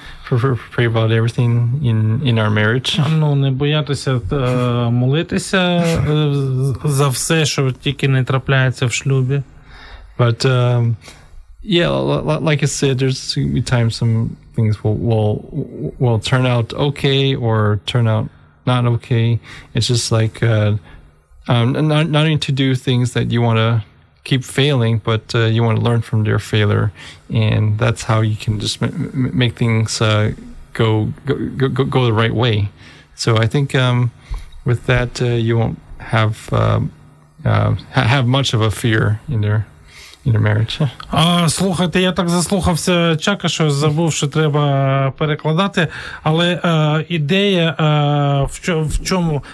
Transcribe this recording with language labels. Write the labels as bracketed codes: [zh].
[en] Pray about everything in our marriage. [uk] Ну, не боятися молитися за все, що тільки не трапляється в шлюбі. [en] But like I said, there's times some things will turn out okay or turn out not okay. It's just like not needing to do things that you want to keep failing, but you want to learn from their failure, and that's how you can just make things go the right way. So I think with that you won't have much of a fear in their marriage. [uk] Слухайте, я так заслухався Чака, що забув, що треба перекладати, але ідея в чому?